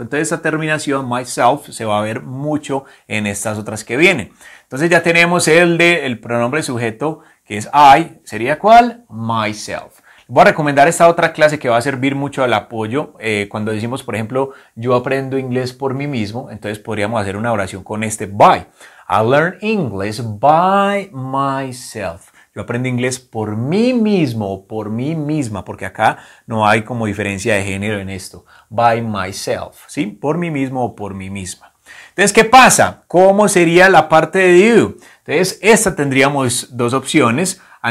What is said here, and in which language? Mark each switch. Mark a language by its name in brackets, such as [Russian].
[Spanish] Entonces, esa terminación, myself, se va a ver mucho en estas otras que vienen. Entonces ya tenemos el de el pronombre sujeto que es I, ¿sería cuál? Myself. Voy a recomendar esta otra clase que va a servir mucho al apoyo cuando decimos, por ejemplo, yo aprendo inglés por mí mismo. Entonces podríamos hacer una oración con este by. [English] I learn English by myself. [Spanish] Yo aprendo inglés por mí mismo o por mí misma, porque acá no hay como diferencia de género en esto. [English] By myself, [Spanish] ¿sí? Por mí mismo o por mí misma. Entonces, ¿qué pasa? ¿Cómo sería la parte de you? Entonces, esta tendríamos dos opciones.